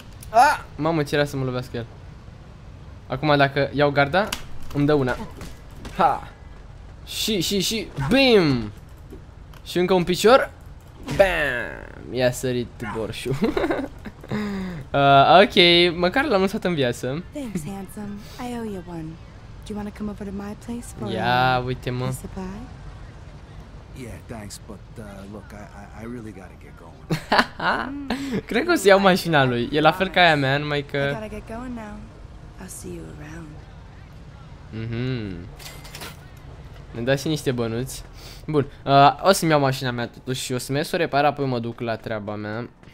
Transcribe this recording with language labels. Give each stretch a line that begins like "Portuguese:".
Romanian: Ah, mamă, ce era să mă lovească el. Acum dacă iau garda, îmi dă una. Ha. Și bim. Și încă un picior. Bam! I-a sărit borșul. ok, măcar l-am lăsat în viață.
English: Thanks, handsome. I owe you one. Do you want to come over to my place for a little bit?
Romanian: Ia, uite-mă.
English: Yeah, thanks, but look, I really got to get going.
Romanian: Cred că o să iau mașina lui. E la fel ca aia mea, numai că...
English: I gotta get going now. I'll see you around. Mhm.
Romanian: Ne dai și niște bănuți. Bun, o să-mi iau mașina mea totuși și o să merg să o repar, apoi mă duc la treaba mea.